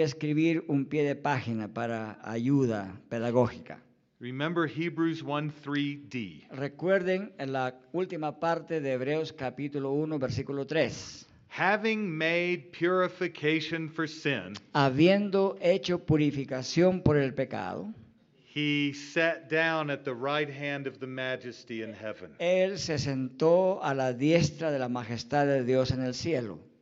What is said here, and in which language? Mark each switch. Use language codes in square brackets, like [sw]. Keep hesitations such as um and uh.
[es] a escribir un pie de página para ayuda pedagógica. 1, Recuerden en la última parte de Hebreos capítulo 1 versículo 3. [en] Having made purification for sin. [es] Habiendo hecho purificación por el pecado. [en] He sat down at the right hand of the majesty in heaven. [es] Él se sentó a la diestra de la majestad de Dios en el cielo.